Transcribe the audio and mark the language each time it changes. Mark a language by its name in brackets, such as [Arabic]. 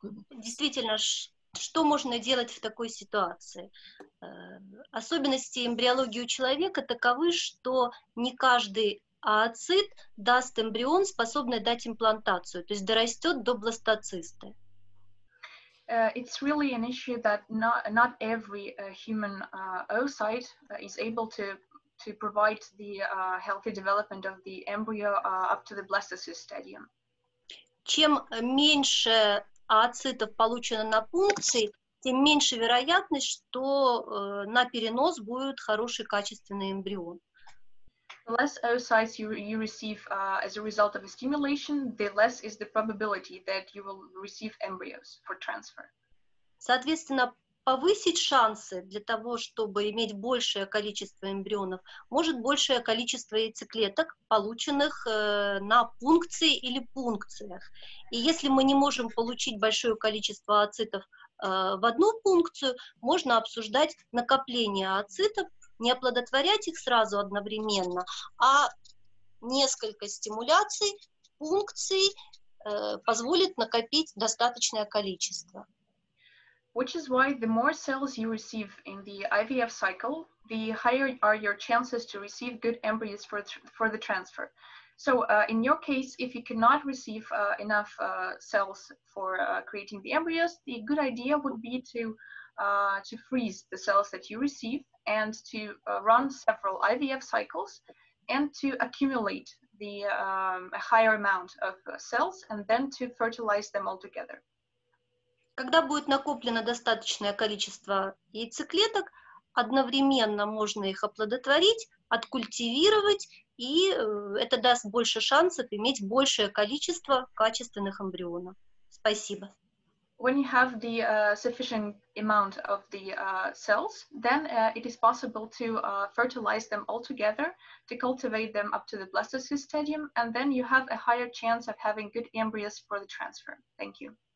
[Russian] Действительно, что можно делать в такой ситуации? Особенности эмбриологии у человека таковы, что не каждый ооцит даст эмбрион, способный дать имплантацию, то есть дорастет до бластоциста. [English] It's really an issue that not every human oocyte is able to provide the healthy development of the embryo up to the blastocyst stadium. [Russian] Чем меньше ооцитов получено на пункции, тем меньше вероятность, что на перенос будет хороший качественный эмбрион. [English] The less oocytes you receive as a result of a stimulation, the less is the probability that you will receive embryos for transfer. [Russian] Соответственно, повысить шансы для того, чтобы иметь большее количество эмбрионов, может большее количество яйцеклеток, полученных на пункции или пункциях. И если мы не можем получить большое количество ооцитов в одну пункцию, можно обсуждать накопление ооцитов, не оплодотворять их сразу одновременно, а несколько стимуляций, пункций позволит накопить достаточное количество. [English] Which is why the more cells you receive in the IVF cycle, the higher are your chances to receive good embryos for the transfer. So in your case, if you cannot receive enough cells for creating the embryos, the good idea would be to freeze the cells that you receive and to run several IVF cycles and to accumulate the a higher amount of cells and then to fertilize them all together. [Russian] Когда будет накоплено достаточное количество яйцеклеток, одновременно можно их оплодотворить, откультивировать, и это даст больше шансов иметь большее количество качественных эмбрионов. Спасибо. [English] When you have the sufficient amount of the cells, then it is possible to fertilize them all together, to cultivate them up to the blastocyst stadium, and then you have a higher chance of having good embryos for the transfer. Thank you.